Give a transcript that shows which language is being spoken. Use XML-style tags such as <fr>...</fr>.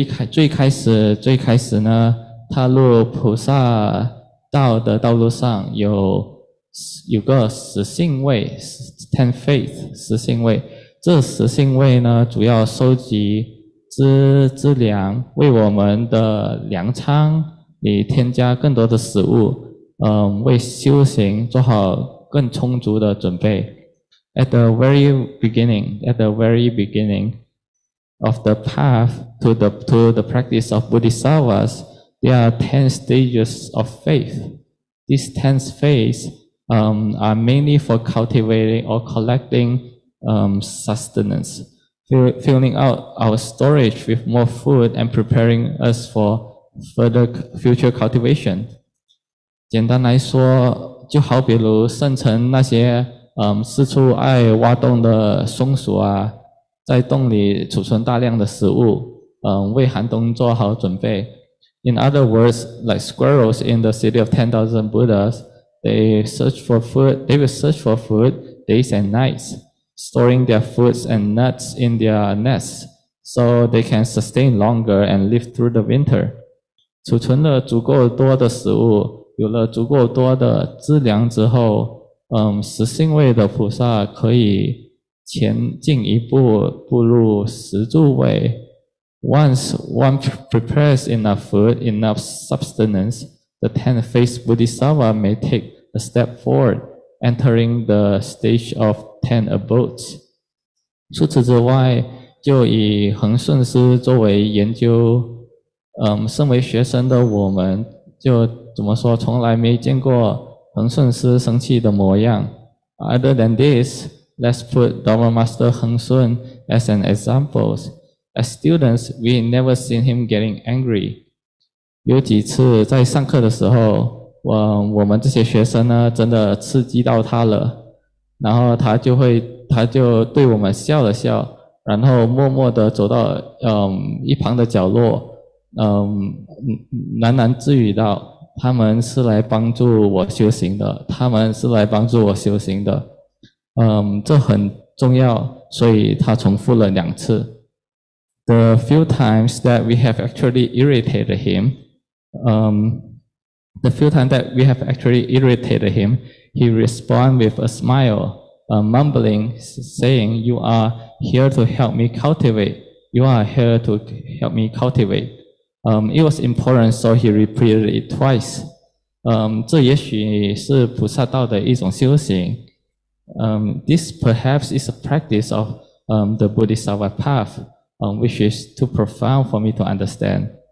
<zh>最开始呢，踏入菩萨道的道路上有个十性位 ,</zh> <en>10 faith,</en> <zh>十性位。这十性位呢主要收集资粮，为我们的粮仓里添加更多的食物，为修行做好更充足的准备。</zh> <en>At the very beginning of the path to the practice of Bodhisattvas, there are 10 stages of faith. These 10 faiths are mainly for cultivating or collectingsustenance, filling out our storage with more food and preparing us for further future cultivation.</en> <zh>简单来说，就好比如圣城那些四处爱挖洞的松鼠啊，在洞里储存大量的食物，为寒冬做好准备。</zh> <en>In other words, like squirrels in the city of 10,000 Buddhas, they will search for food days and nights. Storing their foods and nuts in their nests so they can sustain longer and live through the winter.</en> <zh>储存了足够多的食物，有了足够多的资粮之后，十性位的菩萨可以前进一步步入十住位。</zh> <en>Once one prepares enough food, enough sustenance, the 10th phase Bodhisattva may take a step forward, entering the stage of 10 abodes.</en> <zh>除此之外，就以恒顺师作为研究身为学生的我们，就怎么说，从来没见过恒顺师生气的模样。</zh> <en>Other than this, let's put Dharma Master 恒顺 as an example. As students, we never seen him getting angry.</en> <zh>有几次在上课的时候，我们这些学生呢真的刺激到他了，然后他就对我们笑了笑，然后默默地走到一旁的角落，喃喃自语道，他们是来帮助我修行的，他们是来帮助我修行的。嗯，这很重要，所以他重复了两次。</zh> <en>The few times that we have actually irritated him, the few times that we have actually irritated him, he responded with a smile, mumbling, saying, "You are here to help me cultivate. You are here to help me cultivate." It was important, so he repeated it twice.</en> <zh>这也许是菩萨道的一种修行。</zh> <en>This perhaps is a practice of the Bodhisattva path, which is too profound for me to understand.</en>